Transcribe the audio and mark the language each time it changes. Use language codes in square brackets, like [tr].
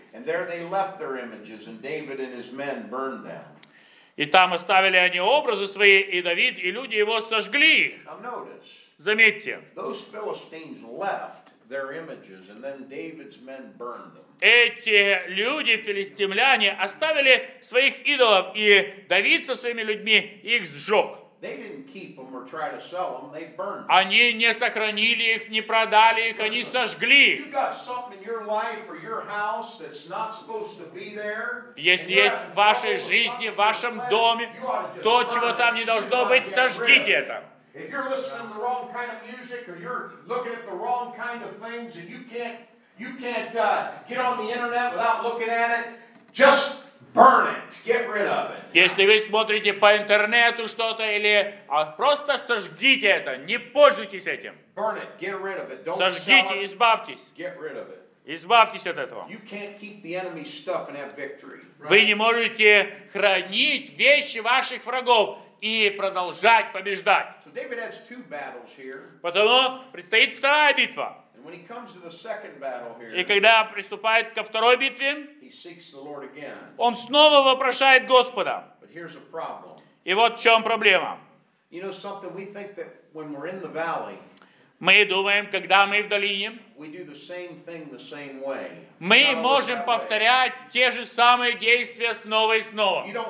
[en] And there they left their images, and David and his men burned them. [ru] И там оставили они образы свои, и Давид, и люди его сожгли их. Заметьте. [en] Those Philistines left their images, and then David's men burned them. [ru] Эти люди, филистимляне, оставили своих идолов, и Давид со своими людьми их сжег. [en] They didn't keep them or try to sell them. They burned them. [ru] Они не сохранили их, не продали их, они сожгли. [en] You got something in your life or your house that's not supposed to be there. [ru] Если есть в вашей жизни, в вашем доме, то, чего там не должно быть, сожгите это. [en] If you're listening to the wrong kind of music or you're looking at the wrong kind of things and you can't get on the internet without looking at it, just burn it. Get rid of it. [ru] Если вы смотрите по интернету что-то или просто сожгите это, не пользуйтесь этим. [en] Burn it. Get rid of it. Don't [ru] сожгите, [en] sell it. [ru] Избавьтесь. [en] Get rid of it. [ru] Избавьтесь от этого. [en] You can't keep the enemy stuff and have victory. [ru] Вы не можете хранить вещи ваших врагов и продолжать побеждать. [en] So David has two battles here. [ru] Потому предстоит вторая битва. [en] And when he comes to the second battle here, [ru] и когда приступает ко второй битве, [en] he seeks the Lord again. [ru] Он снова вопрошает Господа. [en] But here's a problem. [ru] И вот в чем проблема. [en] You know something? We think that when we're in the valley, [ru] мы думаем, когда мы в долине, мы можем повторять те же самые действия снова и снова.